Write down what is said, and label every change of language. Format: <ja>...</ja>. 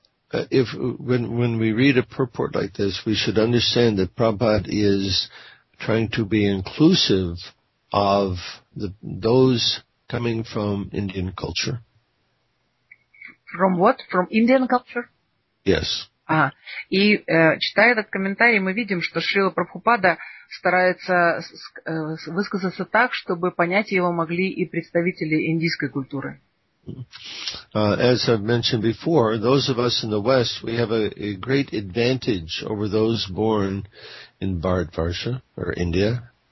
<en>When we read a purport like this, we should understand that Prabhupada is trying to be inclusive of those coming from Indian culture. From what? From Indian culture? Yes.</en> <ru>И читая этот комментарий, мы видим, что Шрила Прабхупада старается высказаться так, чтобы понять его могли и представители индийской культуры.</ru> <en>As I've mentioned before, those of us in the West, we have a great advantage over those born in Bharatvarsha or India.</en>